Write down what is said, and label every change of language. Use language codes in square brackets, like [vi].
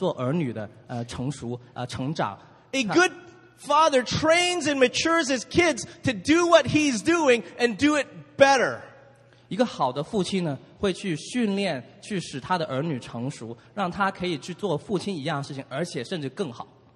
[zh] 我就发现我们这位父亲呢,他再次一次又一次的很想我们做儿女的成熟,成长。 [en] A good father trains and matures his kids to do what he's doing and do it better. [zh] 一个好的父亲呢,会去训练,去使他的儿女成熟,让他可以去做父亲一样的事情,而且甚至更好。